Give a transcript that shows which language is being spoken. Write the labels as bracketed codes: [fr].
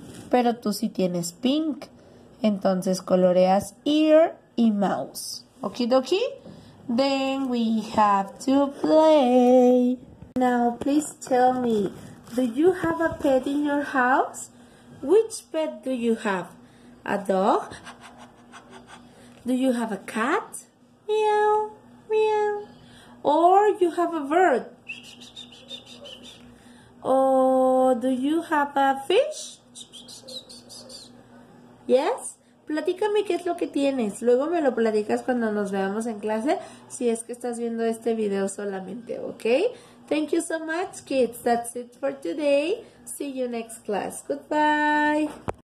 [es] Pero tú sí tienes pink, entonces coloreas ear y mouse. [en] Okie dokie, then we have to play. Now please tell me, do you have a pet in your house? Which pet do you have? A dog? Do you have a cat? Meow, meow. Or you have a bird? Or do you have a fish? Yes? [es] Platícame qué es lo que tienes. Luego me lo platicas cuando nos veamos en clase, si es que estás viendo este video solamente, ¿ok? [en] Thank you so much, kids. That's it for today. See you next class. Goodbye.